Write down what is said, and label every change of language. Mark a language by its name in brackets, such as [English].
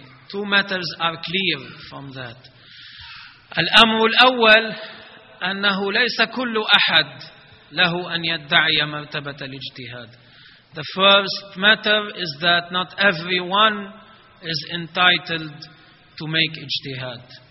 [English] two matters are clear from that. [Arabic] الأمر الأول أنه ليس كل أحد له أن يدعي مرتبة الاجتهاد. [English] The first matter is that not everyone is entitled to make ijtihad.